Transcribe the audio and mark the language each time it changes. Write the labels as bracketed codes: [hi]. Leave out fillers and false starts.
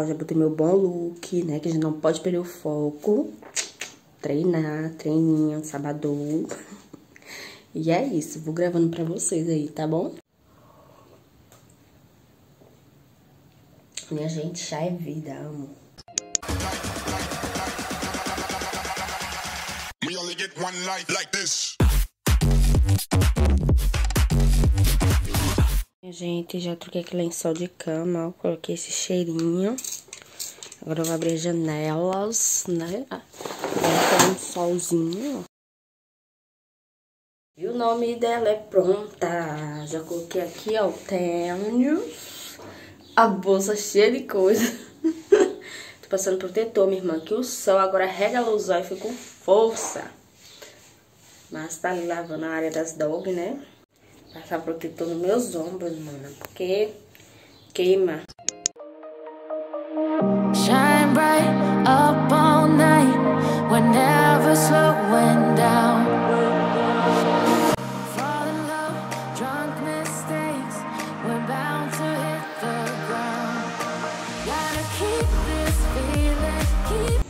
[pt] Eu já botei meu bom look, né? Que a gente não pode perder o foco. Treinar, treininho, sábado. E é isso. Vou gravando pra vocês aí, tá bom? Minha gente, chá é vida, amo. [en] We only get one life like this. [pt] Gente, já troquei aquele lençol de cama, ó, coloquei esse cheirinho. Agora eu vou abrir as janelas, né? Vai ficar um solzinho. E o nome dela é pronta. Já coloquei aqui, ó, o tênis. A bolsa cheia de coisa. Tô passando protetor, minha irmã, que o sol agora regalou os olhos e ficou força. Mas tá ali lavando a área das dog, né? Passar protetor nos meus ombros, mano, porque queima. [en] Shine bright up all night, we're never slowing down. Fall in love, drunk mistakes, we're bound to hit the ground. Gotta keep this feeling, keep.